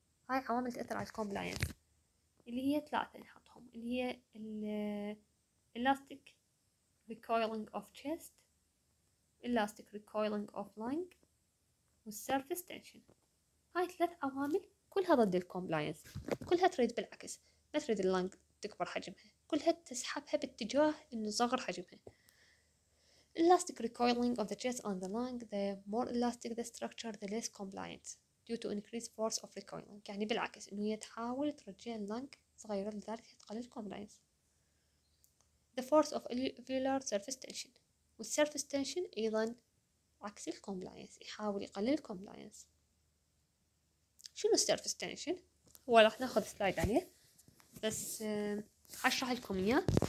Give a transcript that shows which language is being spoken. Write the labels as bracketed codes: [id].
[ar] هاي عوامل تأثر على الكومبلاينس اللي هي ثلاثة نحطهم اللي هي [en] elastic recoiling of chest elastic recoiling of lung [ar] والsurface tension. هاي ثلاث عوامل كلها ضد الكومبلاينس، كلها تريد بالعكس ما تريد اللانج تكبر حجمها، كلها تسحبها باتجاه انه صغر حجمها. [en] elastic recoiling of the chest on the lung the more elastic the structure the less compliant due to increased force of recoiling. [ar] يعني بالعكس انه هي تحاول ترجع اللانج صغيرة لذلك تقلل الكومبلاينس. [en] the force of alveolar surface tension والسيرفس tension [ar] ايضا عكس الكومبلاينس يحاول يقلل الكومبلاينس. شنو السيرفس تنشن؟ هو راح ناخذ سلايد عليه بس اشرح لكم اياه.